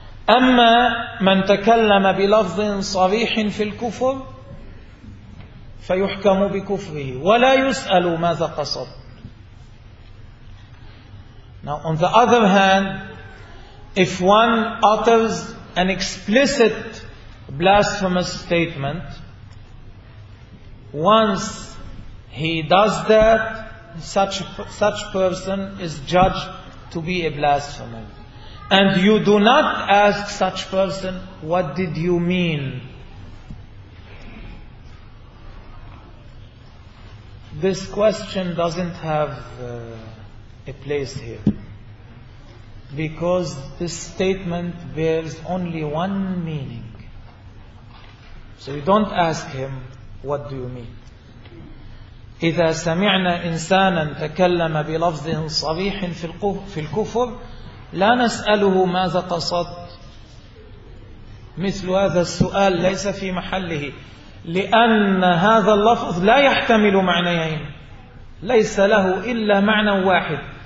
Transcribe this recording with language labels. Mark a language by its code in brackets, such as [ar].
[ar] أما من تكلم بلفظ صريح في الكفر فيحكم بكفره ولا يسأل ماذا قصد. [en] Now on the other hand, if one utters an explicit blasphemous statement, once he does that, such person is judged to be a blasphemer. And you do not ask such person, what did you mean? This question doesn't have a place here, because this statement bears only one meaning. So you don't ask him, what do you mean? [ar] إذا سمعنا إنسانا تكلم بلفظ صريح في الكفر لا نسأله ماذا قصد. مثل هذا السؤال ليس في محله، لأن هذا اللفظ لا يحتمل معنيين، ليس له إلا معنى واحد.